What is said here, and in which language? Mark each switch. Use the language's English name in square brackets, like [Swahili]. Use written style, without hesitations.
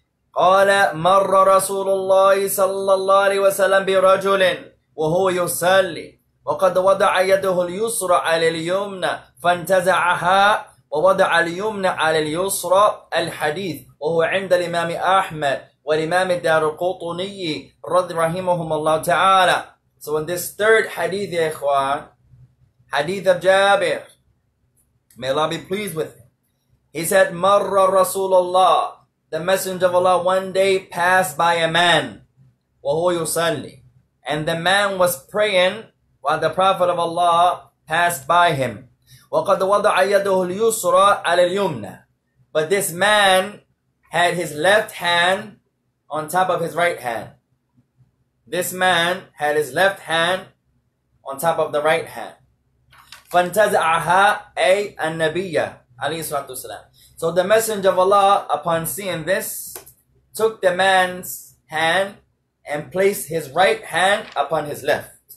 [Arabic] قال مر رسول الله صلى الله عليه وسلم برجل وهو يصلي وقد وضع يده اليسرى على اليمنى فانتزعها ووضع اليمنى على اليسرى. الحديث وهو عند الإمام أحمد والإمام الدارقطني رضي رحمهم الله تعالى. [English] So in this third hadith, [Arabic] يا إخوان, [English] hadith of Jabir, may Allah be pleased with him. He said, [Arabic] مر رسول الله, [English] the Messenger of Allah one day passed by a man, [Arabic] وهو يصلي, [English] and the man was praying while the Prophet of Allah passed by him. [Arabic] وقد وضع يده اليسرى على اليمنى. [English] But this man had his left hand on top of his right hand. This man had his left hand on top of the right hand. [Arabic] فَانْتَزَعَهَا أي النَّبِيَّ عليه الصلاة والسلام. [English] So the messenger of Allah, upon seeing this, took the man's hand and placed his right hand upon his left.